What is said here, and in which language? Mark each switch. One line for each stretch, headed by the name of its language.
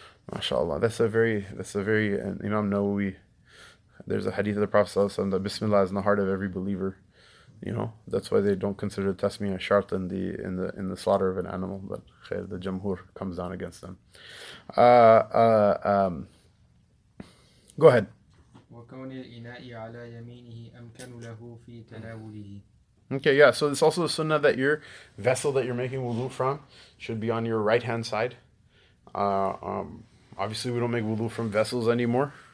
English: MashaAllah, that's a very, Imam Nawawi, there's a hadith of the Prophet ﷺ that Bismillah is in the heart of every believer. You know, that's why they don't consider the tasmiyah shart in the slaughter of an animal, but khair, the jamhur comes down against them. Go ahead.
Arabic: وكون الإناء على يمينه أمكن له في تناوله.
English: Okay, yeah, so it's also the sunnah that your vessel that you're making wudu from should be on your right-hand side. Obviously, we don't make wudu from vessels anymore.